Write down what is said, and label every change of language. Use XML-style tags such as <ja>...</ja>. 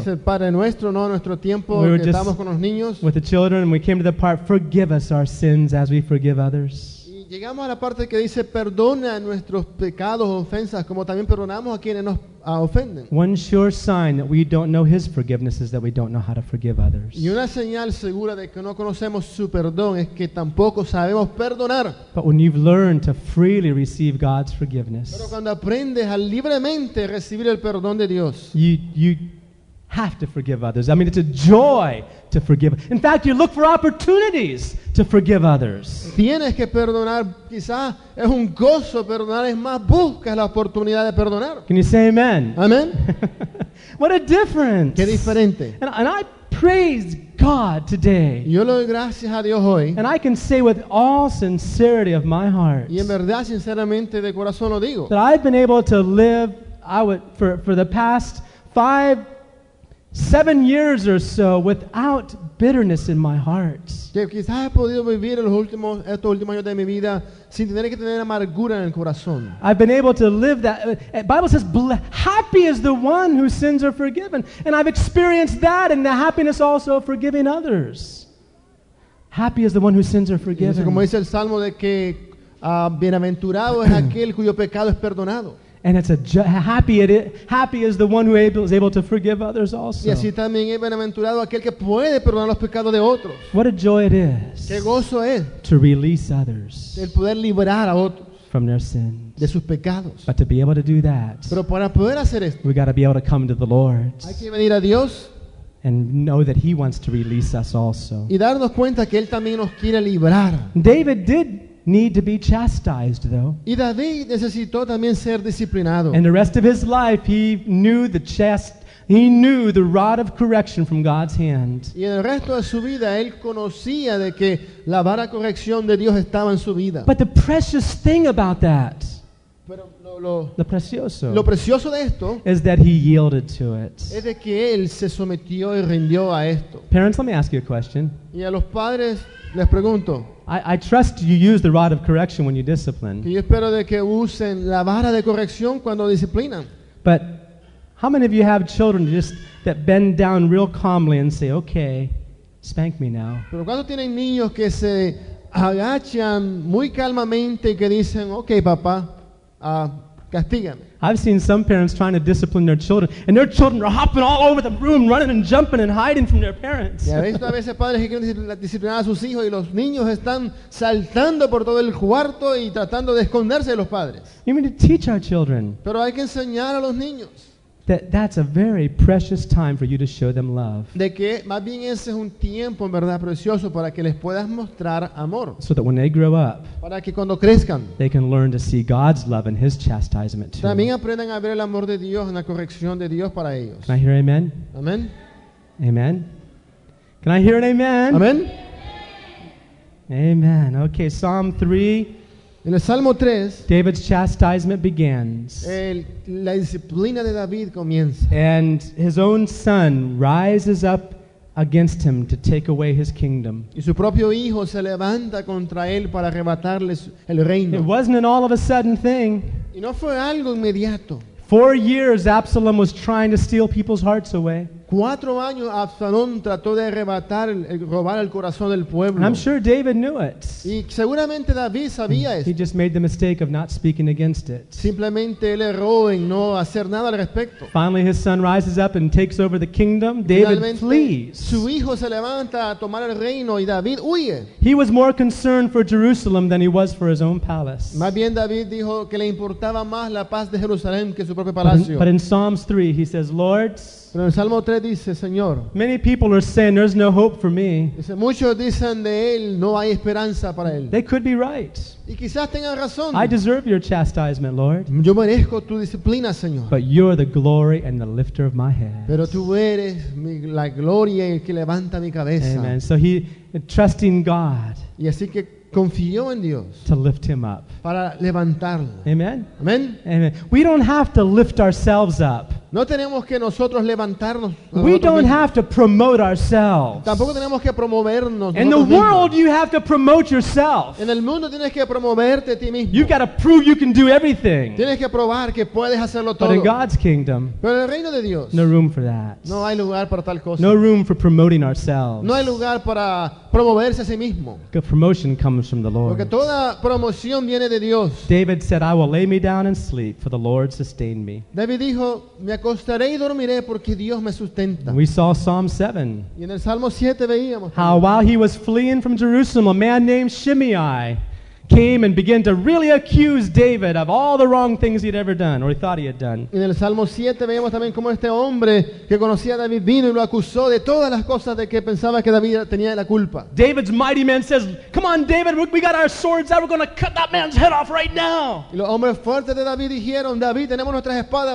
<es>Es el Padre Nuestro, no nuestro tiempo que estamos con los niños.</es> <en>With the children, we came to the part, forgive us our sins as we forgive others.</en> <es>Y llegamos a la parte que dice, perdona nuestros pecados, ofensas, como también perdonamos a quienes nos ofenden.</es> <en>One sure sign that we don't know His forgiveness is that we don't know how to forgive others.</en> <es>Y una señal segura de que no conocemos su perdón es que tampoco sabemos perdonar.</es> <en>But when you've learned to freely receive God's forgiveness,</en> <es>pero cuando aprendes a libremente recibir el perdón de Dios,</es> <en>you have to forgive others. I mean, it's a joy to forgive. In fact, you look for opportunities to forgive others.</en> <es>Tienes que perdonar. Quizás es un gozo perdonar. Es más, buscas la oportunidad de perdonar.</es> <en>Can you say amen? Amen. What a difference.</en> <es>Qué diferente.</es> <en>And I praise God today.</en> <es>Yo le doy gracias a Dios hoy.</es> <en>And I can say with all sincerity of my heart.</en> <es>Y en verdad, sinceramente, de corazón lo digo.</es> <en>That I've been able to live, I would, for the past 7 years or so without bitterness in my heart.</en> <es>Que quizás he podido vivir estos últimos años de mi vida sin tener que tener amargura en el corazón.</es> <en>I've been able to live that. The Bible says, happy is the one whose sins are forgiven. And I've experienced that and the happiness also of forgiving others. Happy is the one whose sins are forgiven.</en> <es>Como dice el Salmo de que bienaventurado es aquel cuyo pecado es perdonado.</es> <en>And it's happy is the one who is able to forgive others also.</en> <es>Y así también es bienaventurado aquel que puede perdonar los pecados de otros.</es> <en>What a joy it is.</en> <es>Qué gozo es.</es> <en>To release others.</en> <es>El poder liberar a otros.</es> <en>From their sins.</en> <es>De sus pecados.</es> <en>But to be able to do that.</en> <es>Pero para poder hacer esto.</es> <en>We got to be able to come to the Lord.</en> <es>Hay que venir a Dios.</es> <en>And know that He wants to release us also.</en> <es>Y darnos cuenta que Él también nos quiere librar.</es> <en>David did need to be chastised, though.</en> <es>Y David necesitó también ser disciplinado.</es> <en>And the rest of his life, he knew the rod of correction from God's hand.</en> <es>Y en el resto de su vida, él conocía de que la vara corrección de Dios estaba en su vida.</es> <en>But the precious thing about that,</en> <es>Pero lo precioso de esto</es> <en>is that he yielded to it.</en> <es>Es de que él se sometió y rindió a esto.</es> <en>Parents, let me ask you a question.</en> <es>Y a los padres les pregunto.</es> <en>I trust you use the rod of correction when you discipline.</en> <es>Y yo espero de que usen la vara de corrección cuando disciplinan.</es> <en>But how many of you have children just that bend down real calmly and say, "Okay, spank me now"?</en> <es>Pero ¿cuántos tienen niños que se agachan muy calmamente y que dicen, "Okay, papá"?</es> <en>I've seen some parents trying to discipline their children, and their children are hopping all over the room, running and jumping and hiding from their parents.</en> <es>Ya ves, a veces padres que quieren disciplinar a sus hijos y los niños están saltando por todo el cuarto y tratando de esconderse de los padres.</es> <en>You need to teach our children.</en> <es>Pero hay que enseñar a los niños.</es> <en>That's a very precious time for you to show them love.</en> <es>De que más bien ese es un tiempo, en verdad, precioso para que les puedas mostrar amor.</es> <en>So that when they grow up,</en> <es>para que cuando crezcan,</es> <en>they can learn to see God's love and His chastisement too.</en> <es>También aprendan a ver el amor de Dios en la corrección de Dios para ellos.</es> <en>Can I hear amen? Amen. Amen. Can I hear an amen? Amen. Amen. Okay, Psalm 3.</en> <es>En el Salmo 3,</es> <en>David's chastisement begins.</en> <es>La disciplina de David comienza.</es> <en>And his own son rises up against him to take away his kingdom.</en> <es>Y su propio hijo se levanta contra él para arrebatarle el reino.</es> <en>It wasn't an all of a sudden thing.</en> <es>Y no fue algo inmediato.</es> <en>4 years Absalom was trying to steal people's hearts away.</en> <es>4 años Absalón trató de arrebatar, robar el corazón del pueblo.</es> <en>And I'm sure David knew it.</en> <es>Y seguramente David sabía eso.</es> <en>He just made the mistake of not speaking against it.</en> <es>Simplemente él erró en no hacer nada al respecto.</es> <en>Finally his son rises up and takes over the kingdom. David flees.</en> <es>Su hijo se levanta a tomar el reino y David huye.</es> <en>He was more concerned for Jerusalem than he was for his own palace.</en> <es>Más bien David dijo que le importaba más la paz de Jerusalén que su propio palacio.</es> <en>But in Psalms 3 he says, "Lord,</en> <es>pero en Salmo 3 dice, Señor,</es> <en>many people are saying there's no hope for me."</en> <es>Dice, muchos dicen de él, no hay esperanza para él.</es> <en>They could be right.</en> <es>Y quizás tengan razón.</es> <en>I deserve your chastisement, Lord.</en> <es>Yo merezco tu disciplina, Señor.</es> <en>But you're the glory and the lifter of my head.</en> <es>Pero tú eres la gloria y el que levanta mi cabeza.</es> <en>Amen. So he trusting God.</en> <es>Y así que confió en Dios</es> <en>to lift him up.</en> <es>Para levantarlo.</es> <en>Amen. Amen. Amen. We don't have to lift ourselves up.</en> <es>No tenemos que nosotros levantarnos.</es> <en>We don't have to promote ourselves.</en> <es>Tampoco tenemos que promovernos.</es> <en>In the world, you have to promote yourself.</en> <es>En el mundo tienes que promoverte a ti mismo.</es> <en>You've got to prove you can do everything.</en> <es>Tienes que probar que puedes hacerlo todo.</es> <en>But in God's kingdom,</en> <es>pero en el reino de Dios,</es> <en>no room for that.</en> <es>No hay lugar para tal cosa.</es> <en>No room for promoting ourselves.</en> <es>No hay lugar para promoverse a sí mismo.</es> <en>Because promotion comes from the Lord.</en> <es>Porque toda promoción viene de Dios.</es> <en>David said, "I will lay me down and sleep, for the Lord sustained me."</en> <es>David dijo, "Me acostaré y dormiré porque Dios me sustenta."</es> <en>We saw Psalm 7.</en> <es>Y en el Salmo 7 veíamos</es> <en>how while he was fleeing from Jerusalem, a man named Shimei came and began to really accuse David of all the wrong things he'd ever done, or he thought he had done.</en> <es>En el Salmo 7 veíamos también cómo este hombre que conocía a David vino y lo acusó de todas las cosas de que pensaba que David tenía la culpa.</es> <en>David's mighty man says, "Come on, David, we got our swords out. We're going to cut that man's head off right now."</en> <es>Y los hombres fuertes de David dijeron, "David, tenemos nuestras espadas.</es>